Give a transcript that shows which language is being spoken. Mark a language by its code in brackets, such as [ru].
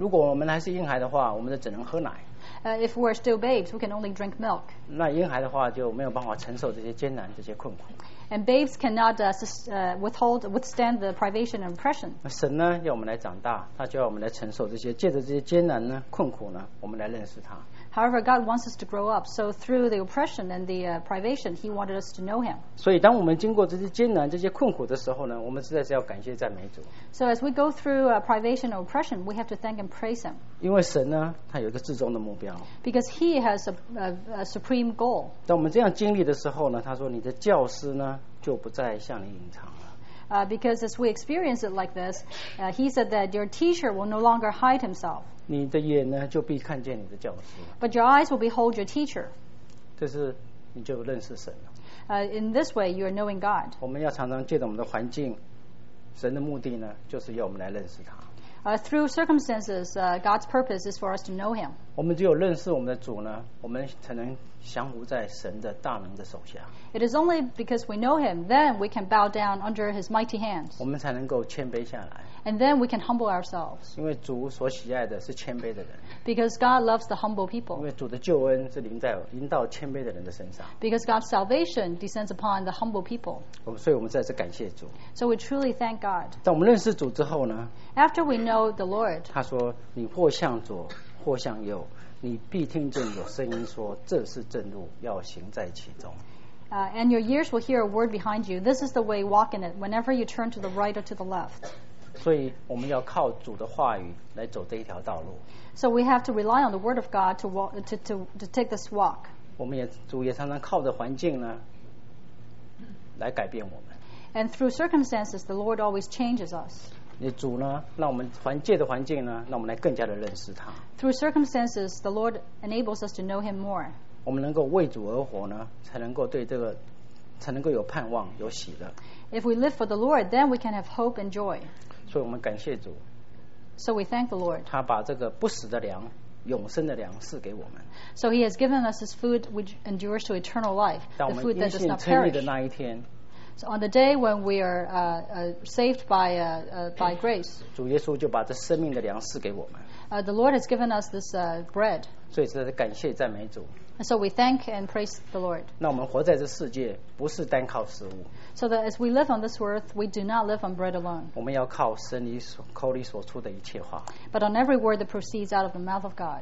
[zh] 如果我们还是婴孩的话，我们就只能喝奶。 [en] If we're still babes, we can only drink milk. [zh] 那婴孩的话就没有办法承受这些艰难、这些困苦。 [en] And babes cannot withstand the privation and oppression. [zh] 神呢，要我们来长大，他就要我们来承受这些，借着这些艰难呢、困苦呢，我们来认识他。 [en] However, God wants us to grow up. So through the oppression and the privation, He wanted us to know Him. [zh] 所以当我们经过这些艰难、这些困苦的时候呢，我们实在是要感谢赞美主。 [en] So as we go through privation and oppression, we have to thank and praise Him. [zh] 因为神呢，他有一个至终的目标。 [en] Because He has a supreme goal. [zh] 当我们这样经历的时候呢，他说：“你的教师呢，就不再向你隐藏了。” [en] Because as we experience it like this, He said that your teacher will no longer hide himself. [zh] 你的眼呢就必看见你的教师。 [en] But your eyes will behold your teacher. [zh] 这是你就认识神了。 [en] In this way, you are knowing God. [zh] 我们要常常借着我们的环境，神的目的呢，就是要我们来认识他。 [en] Through circumstances, God's purpose is for us to know Him. [zh] 我们只有认识我们的主呢，我们才能降服在神的大能的手下。 [en] It is only because we know Him, then we can bow down under His mighty hands. [zh] 我们才能够谦卑下来。 [en] And then we can humble ourselves. [zh] 因为主所喜爱的是谦卑的人。 [en] Because God loves the humble people. [zh] 因为主的救恩是临到谦卑的人的身上。 [en] Because God's salvation descends upon the humble people. [zh] 所以我们再次感谢主。 [en] So we truly thank God. [zh] 当我们认识主之后呢？ [en] After we know the Lord. [zh] 他说：“你或向左，或向右，你必听见有声音说，这是正路，要行在其中。” [en] And your ears will hear a word behind you. This is the way, walk in it. Whenever you turn to the right or to the left. [zh] 所以我们要靠主的话语来走这一条道路。 [en] So we have to rely on the word of God to walk, to take this walk. [zh] 我们也主也常常靠着环境呢，来改变我们。 [en] And through circumstances, the Lord always changes us. [zh] 你主呢，让我们环界的环境呢，让我们来更加的认识他。 [en] Through circumstances, the Lord enables us to know Him more. [zh] 我们能够为主而活呢，才能够对这个，才能够有盼望、有喜乐。 [en] If we live for the Lord, then we can have hope and joy. [zh] 所以我们感谢主。 [en] So we thank the Lord. [zh] 他把这个不死的粮、永生的粮赐给我们。 [en] So He has given us His food which endures to eternal life, the food that does not perish. [zh] 当我们因信称义的那一天。 [en] So on the day when we are saved by grace, [zh] 主耶稣就把这生命的粮赐给我们。 [en] The Lord has given us this bread. [zh] 所以这是感谢赞美主。 [en] So we thank and praise the Lord. [zh] 那我们活在这世界不是单靠食物。 [en] So that as we live on this earth, we do not live on bread alone. [zh] 我们要靠神口里所出的一切话。 [en] But on every word that proceeds out of the mouth of God.